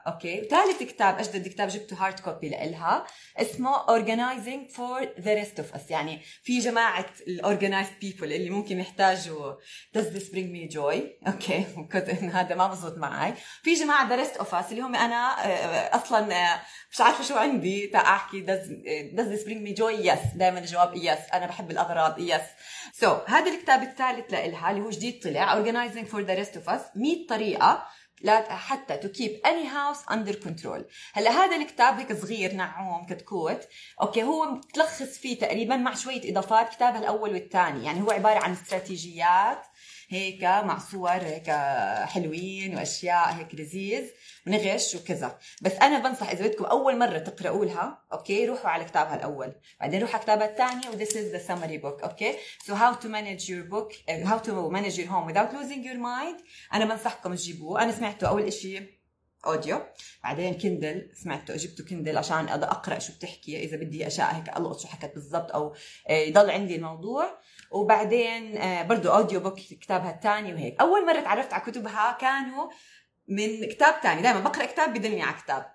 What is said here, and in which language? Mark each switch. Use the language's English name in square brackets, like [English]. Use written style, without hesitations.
[Arabic] اوكي، وثالث كتاب اجدد كتاب جبته هارد كوبي لها اسمه Organizing for the rest of us، يعني في جماعة الorganized people اللي ممكن يحتاجوا [English] Does this bring me joy. [Arabic] اوكي، وكنت ان هذا ما بزبط معي، في جماعة the rest of us اللي هم انا اصلا مش عارفة شو عندي تا احكي [English] Does this bring me joy. [Arabic] yes، دائما الجواب yes، انا بحب الاغراض yes. [English] so [Arabic] هذا الكتاب الثالث لها اللي هو جديد طلع [English] Organizing for the rest of us، [Arabic] 100 طريقة حتى [English] to keep any house under control. [Arabic] هلا هذا الكتاب هيك صغير نعوم كتكوت، اوكي هو متلخص فيه تقريبا مع شويه اضافات كتاب الاول والثاني، يعني هو عباره عن استراتيجيات هيك مع صور هيك حلوين واشياء هيك لذيذ ونغش وكذا. بس انا بنصح اذا بدكم اول مره تقراوا لها اوكي روحوا على كتابها الاول، بعدين روحوا على كتابها الثانيه. [English] This is the summary book. Okay, so how to manage your book how to manage your home without losing your mind. [Arabic] انا بنصحكم تجيبوه، انا سمعته اول إشي اوديو، بعدين كندل سمعته، جبته كندل عشان اقرا شو بتحكي اذا بدي اشياء هيك القط شو حكت بالضبط او يضل عندي الموضوع، وبعدين برضو اوديو بوك كتابها الثاني. وهيك اول مره تعرفت على كتبها كانوا من كتاب تاني، دائما بقرا كتاب بدلني على كتاب.